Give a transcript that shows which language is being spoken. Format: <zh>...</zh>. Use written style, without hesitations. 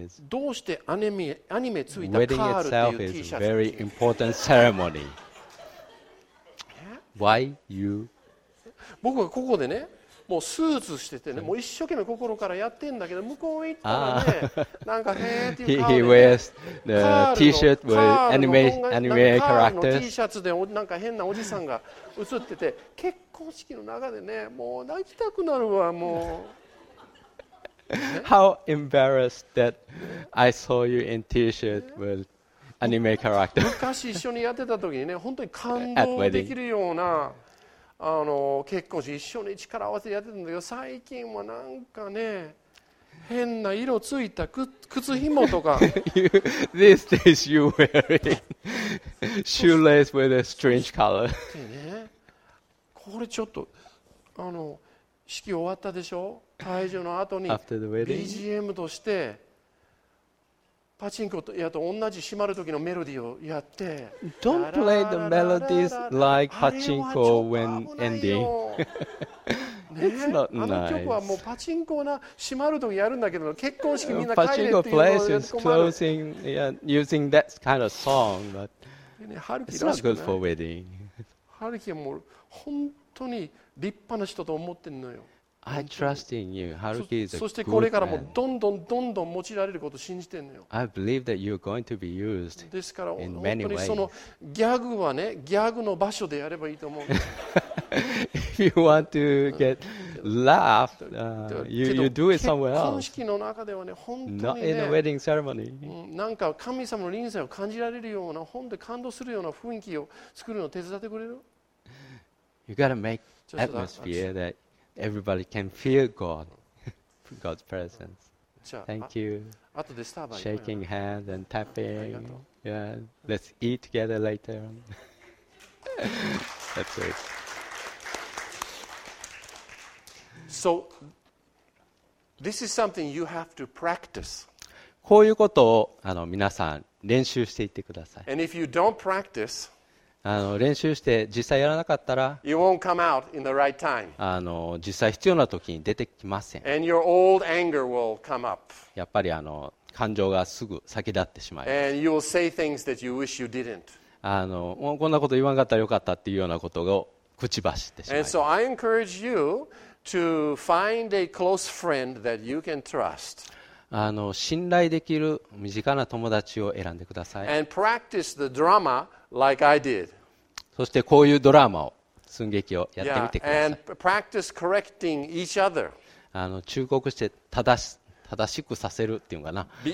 <ja>どうしてアニメついたカールっていう</ja> <en>T シャツ？Wedding itself is a very important ceremony. Why you?</en> <ja>僕はここでね。もうスーツしててね、もう一生懸命心からやってんだけど、向こう行ったらね、なんかへーっていう顔で、ね、</ja> <en>he wears the T-shirt with anime characters.</en> <ja>カールの T シャツでなんか変なおじさんが映ってて、結婚式の中でね、もう泣きたくなるわ、もう。</ja> <en>How embarrassed that I saw you in T-shirt with anime characters.</en> <ja>昔一緒にやってた時にね、本当に感動できるような。あの結婚式一緒に力合わせてやってたんだけど、最近はなんかね、変な色ついた靴ひもとか。</ja> <en>These days you wearing shoelace with a strange color 、ね。</en> <ja>これちょっとあの式終わったでしょ？会場の後に</ja> <en>After the wedding.</en> <ja>BGM としてパチンコとやと同じ閉まる時のメロディーをやって。</ja> <en>Don't play the melodies like pachinko when ending. It's not nice.</en> <ja>あの曲はもうパチンコな閉まる時やるんだけど、結婚式みんな帰れっていうのをやる。</ja> <en>Pachinko plays is closing, yeah, using that kind of song, but it's not good for wedding.</en> <ja>ハルキはもう本当に立派な人と思ってんのよ。</ja> <en>I trust in you. Haruki is a good man.</en> <ja>そしてこれからもどんどんどんどん用いられることを信じてるのよ。</ja> <en>I believe that you're going to be used in many ways.</en> <ja>ですから本当にそのギャグはね、ギャグの場所でやればいいと思う。</ja> <en>If you want to get laughed, you do it somewhere else.</en> <ja>結婚式の中ではね、本当にね、</ja> <en>Not in a wedding ceremony.</en> <ja>なんか神様の臨在を感じられるような、本当に感動するような雰囲気を作るのを手伝ってくれる？</ja> <en>You gotta make atmosphere that Everybody can feel God's presence. Thank you. Shaking hands and tapping. Yeah, let's eat together later. That's it. So, This is something you have to practice.</en> <ja>こういうことを皆さん練習していってください。</ja> <en>And if you don't practice,</en> <ja>練習して実際やらなかったら、</ja> <en>you won't come out in the right time.</en> <ja>実際必要な時に出てきません。</ja> <en>And your old anger will come up.</en> <ja>やっぱり感情がすぐ先立ってしまいます。</ja> <en>And you will say things that you wish you didn't.</en> <ja>こんなこと言わなかったらよかったっていうようなことを口走ってしまう。</ja> <en>And so I encourage you to find a close friend that you can trust.</en> <ja>信頼できる身近な友達を選んでください。</ja> <en>And practice the drama like I did.</en> <ja>そしてこういうドラマを寸劇をやってみてください。</ja> <en>And practice correcting each other.</en> <ja>忠告して正しくさせるっていうかな。</ja>